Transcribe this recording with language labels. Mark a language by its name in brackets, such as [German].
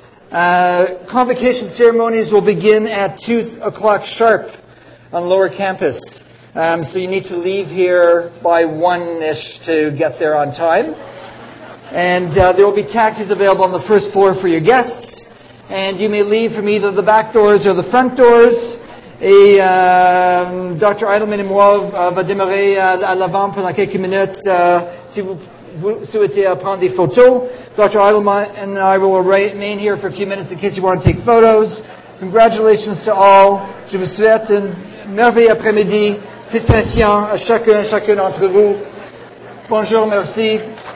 [English] Convocation ceremonies will begin at 2 o'clock sharp on lower campus. So you need to leave here by 1-ish to get there on time. And there will be taxis available on the first floor for your guests. And you may leave from either the back doors or the front doors. [French] Et Dr. Eidelman et moi va démarrer à l'avant pendant quelques minutes si vous souhaitez prendre des photos. [English] Dr. Eidelman and I will remain here for a few minutes in case you want to take photos. Congratulations to all. [French] Je vous souhaite un merveilleux après-midi. Félicitations à chacun d'entre vous. Bonjour, merci.